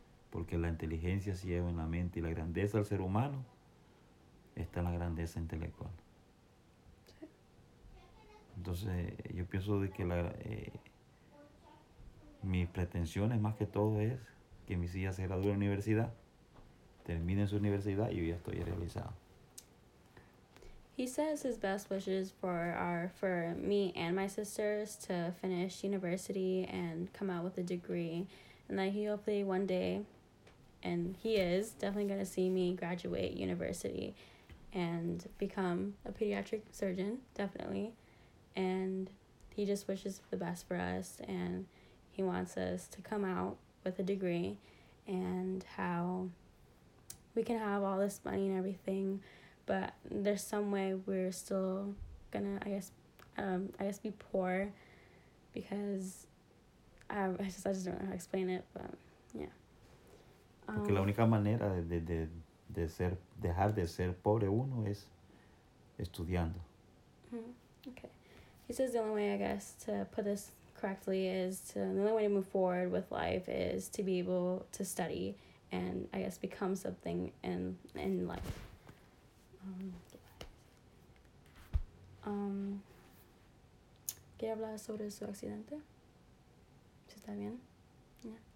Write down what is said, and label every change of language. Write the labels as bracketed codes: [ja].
[es] Porque la inteligencia se lleva en la mente y la grandeza del ser humano está en la grandeza intelectual. Sí. Entonces, yo pienso de que mis pretensiones más que todo es que mis hijas se gradúen en la universidad, terminen su universidad y yo ya estoy realizado. [en] He says his best wishes are for me and my sisters to finish university and come out with a degree, and that he hopefully one day, and he is definitely going to see me graduate university and become a pediatric surgeon, definitely. And he just wishes the best for us, and he wants us to come out with a degree, and how we can have all this money and everything, but there's some way we're still gonna, I guess be poor, because I just don't know how to explain it, but yeah. [es] Porque la única manera de dejar de ser pobre uno es estudiando. [en] Okay. He says the only way, I guess, to put this correctly is to, the only way to move forward with life is to be able to study and, I guess, become something in life. [es] ¿Quiere hablar sobre su accidente? ¿Se está bien? Yeah.